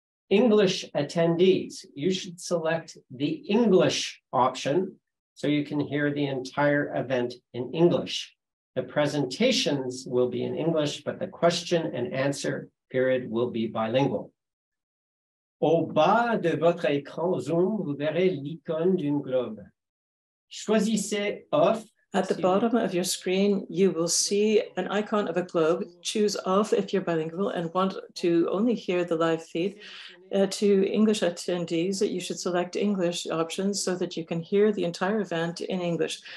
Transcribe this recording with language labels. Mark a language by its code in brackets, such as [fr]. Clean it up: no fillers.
[en] English attendees, you should select the English option so you can hear the entire event in English. The presentations will be in English, but the question and answer period will be bilingual. [fr] Au bas de votre écran Zoom, vous verrez l'icône d'une globe. Choisissez off. [en] At the bottom of your screen, you will see an icon of a globe. Choose off if you're bilingual and want to only hear the live feed. To English attendees, you should select English options so that you can hear the entire event in English.